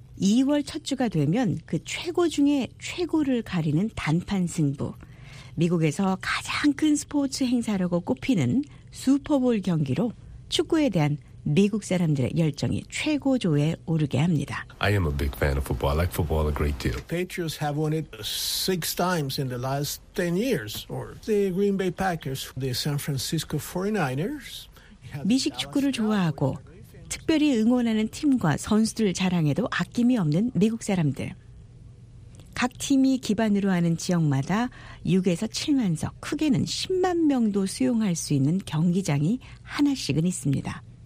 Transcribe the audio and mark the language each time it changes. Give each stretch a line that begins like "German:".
Korean: 2월 첫 주가 되면 그 최고 중에 최고를 가리는 단판 승부. 미국에서 가장 큰 스포츠 행사라고 꼽히는 슈퍼볼 경기로 축구에 대한 미국 사람들의 열정이 최고조에 오르게 합니다.
English: I am a big fan of football. I like football a great deal. Patriots have won it six times in the last 10 years. Or the Green Bay Packers, the San Francisco 49ers.
Korean: 미식 축구를 좋아하고 특별히 응원하는 팀과 선수들 자랑에도 아낌이 없는 미국 사람들. 각 팀이 기반으로 하는 지역마다 6에서 7만 석, 크게는 10만 명도 수용할 수 있는 경기장이 하나씩은 있습니다.